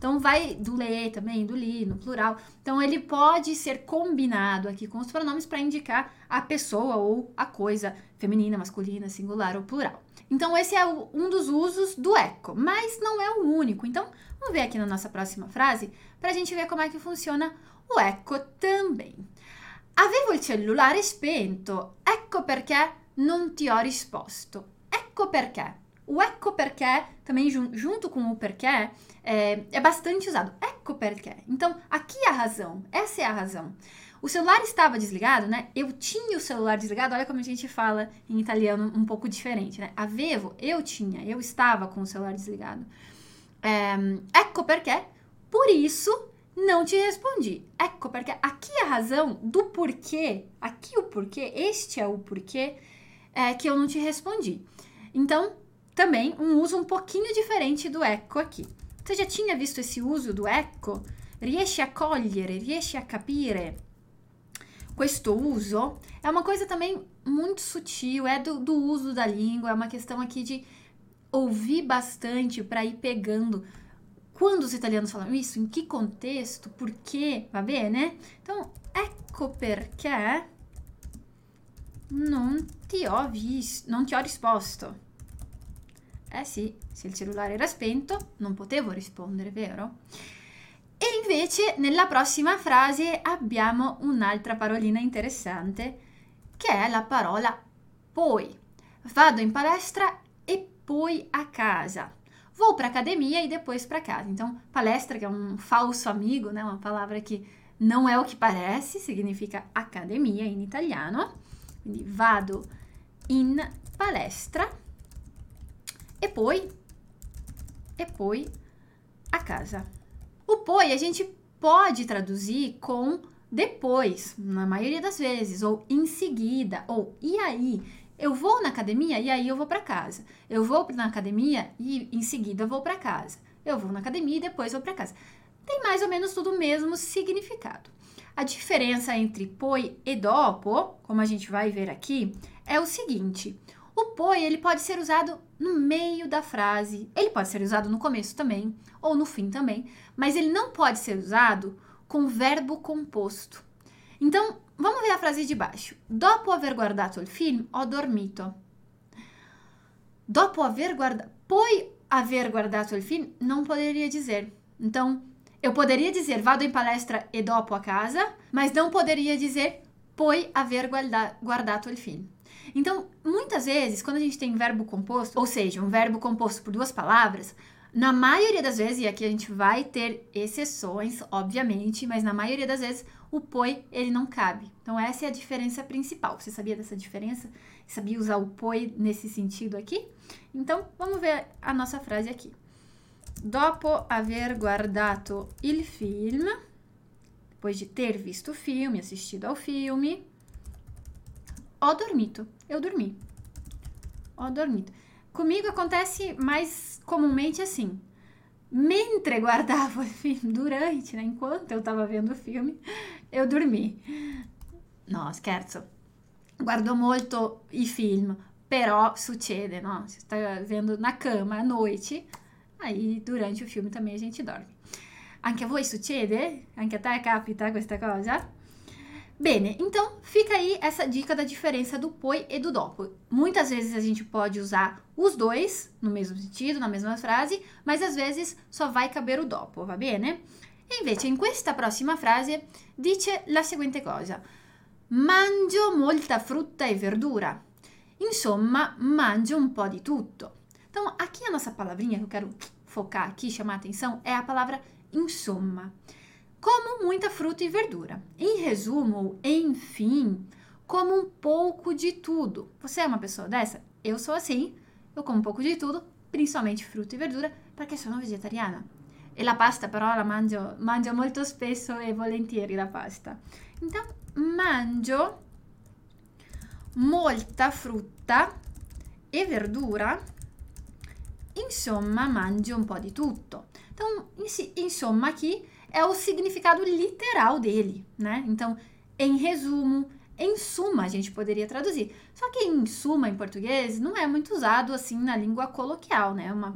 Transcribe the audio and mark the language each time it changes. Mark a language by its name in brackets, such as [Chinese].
[Portuguese] Então vai do le também, do li, no plural. Então ele pode ser combinado aqui com os pronomes para indicar a pessoa ou a coisa feminina, masculina, singular ou plural. Então esse é um dos usos do ecco, mas não é o único. Então vamos ver aqui na nossa próxima frase para a gente ver como é que funciona o ecco também. [Italian] Avevo il cellulare spento, ecco perché non ti ho risposto. Ecco perché. [Portuguese] O ecco perché, também junto com o perché, é bastante usado. Ecco perché. Então, aqui a razão. Essa é a razão. O celular estava desligado, né? Eu tinha o celular desligado. Olha como a gente fala em italiano um pouco diferente, né? Avevo, eu tinha, eu estava com o celular desligado. [Italian] Ecco perché, [Portuguese] por isso não te respondi. Ecco perché. Aqui a razão do porquê, aqui o porquê, este é o porquê, que eu não te respondi. Então, também um uso um pouquinho diferente do ecco aqui. Você já tinha visto esse uso do ecco? [Italian] Riesci a cogliere, riesci a capire questo uso? [Portuguese] É uma coisa também muito sutil, é do uso da língua, é uma questão aqui de ouvir bastante para ir pegando quando os italianos falam isso, em que contexto, por quê, [Italian] va bene? [Portuguese] Então, [Italian] ecco perché non ti ho visto, non ti ho risposto. Eh sì, se il cellulare era spento non potevo rispondere, vero? E invece nella prossima frase abbiamo un'altra parolina interessante che è la parola poi. Vado in palestra e poi a casa. [Portuguese] Vou para accademia e depois para casa. [Italian] Então, palestra che è un falso amico, né? Una parola che non è o che parece, significa accademia in italiano. Quindi vado in palestra. E poi a casa. [Portuguese] O poi a gente pode traduzir com Depois, na maioria das vezes, ou em seguida, ou e aí? Eu vou na academia e aí eu vou para casa. Eu vou na academia e em seguida vou para casa. Eu vou na academia e depois vou para casa. Tem mais ou menos tudo o mesmo significado. A diferença entre poi e dopo, como a gente vai ver aqui, é o seguinte: o poi ele pode ser usado no meio da frase, ele pode ser usado no começo também, ou no fim também, mas ele não pode ser usado com verbo composto. Então, vamos ver a frase de baixo. [Italian] Dopo aver guardato il film, ho dormito. Dopo aver guardato. Poi aver guardato il film, [Portuguese] non poderia dizer. Então, eu poderia dizer [Italian] vado in palestra e dopo a casa, [Portuguese] mas não poderia dizer [Italian] poi aver guardato il film. [Portuguese] Então, muitas vezes, quando a gente tem verbo composto, ou seja, um verbo composto por duas palavras, na maioria das vezes, e aqui a gente vai ter exceções, obviamente, mas na maioria das vezes, o poi ele não cabe. Então, essa é a diferença principal. Você sabia dessa diferença? Sabia usar o poi nesse sentido aqui? Então, vamos ver a nossa frase aqui. [Italian] Dopo aver guardato il film, [Portuguese] depois de ter visto o filme, assistido ao filme, [Italian] ho dormito. [Portuguese] Eu dormi. Ho dormito. Comigo acontece mais comumente assim. Mentre guardavo o filme, durante, né, enquanto eu estava vendo o filme, eu dormi. [Italian] No, scherzo. Guardo molto i film, però succede, no? [Portuguese] Se sta vendo na cama à noite, aí durante o filme também a gente dorme. [Italian] Anche a voi succede? Anche a te capita questa cosa? [Portuguese] Bene, então fica aí essa dica da diferença do poi e do dopo. Muitas vezes a gente pode usar os dois no mesmo sentido, na mesma frase, mas às vezes só vai caber o dopo, [Italian] va bene? E invece in questa prossima frase dice la seguente cosa: mangio molta frutta e verdura. Insomma, mangio un po' di tutto. [Portuguese] Então, aqui a nossa palavrinha che eu quero focar aqui, chamar a atenção, è a palavra insomma. Como muita fruta e verdura. Em resumo, enfim, como um pouco de tudo. Você é uma pessoa dessa? Eu sou assim. Eu como um pouco de tudo, principalmente fruta e verdura, porque sou vegetariana. [Italian] E la pasta, però, la mangio molto spesso e volentieri la pasta. Então, mangio molta frutta e verdura. Insomma, mangio un po' di tutto. [Portuguese] Então, insomma, aqui é o significado literal dele, né? Então, em resumo, em suma, a gente poderia traduzir. Só que em suma, em português, não é muito usado assim na língua coloquial, né?